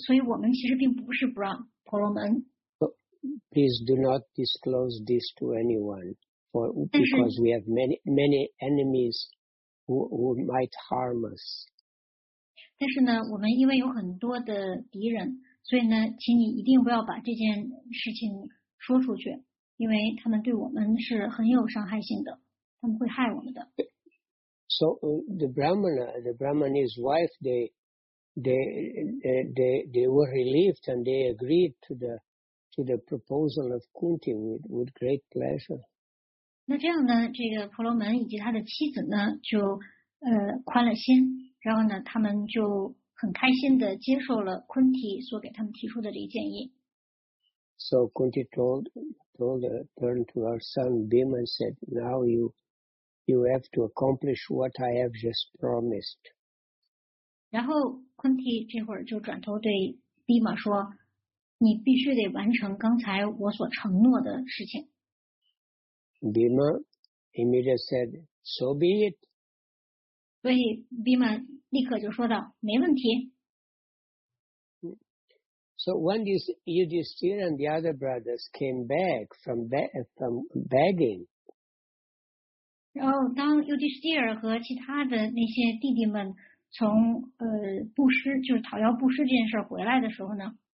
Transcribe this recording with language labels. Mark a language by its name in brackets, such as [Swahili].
[Chinese] 所以我们其实并不是婆罗门。 [English] So, please do not disclose this to anyone. Because we have many enemies who might harm us. [Chinese] 但是呢，我们因为有很多的敌人，所以呢，请你一定不要把这件事情说出去，因为他们对我们是很有伤害性的，他们会害我们的。 [English] So the Brahmani's wife, they were relieved and they agreed to the proposal of Kunti with great pleasure. [Chinese] 那这样呢，这个婆罗门以及他的妻子呢，就宽了心，然后呢，他们就很开心的接受了昆提所给他们提出的这个建议。 [English] So Kunti turned to her son Bhima and said, "Now you have to accomplish what I have just promised." [Chinese] 然后昆提这会儿就转头对Bhima说，你必须得完成刚才我所承诺的事情。 [English] Bhima immediately said, "So be it." [Chinese] 所以比玛立刻就说道，没问题。 [English] So when Yudhisthira and the other brothers came back from begging, [Chinese] 然后当 Yudhisthira 和其他的那些弟弟们从布施，就是讨要布施这件事回来的时候呢，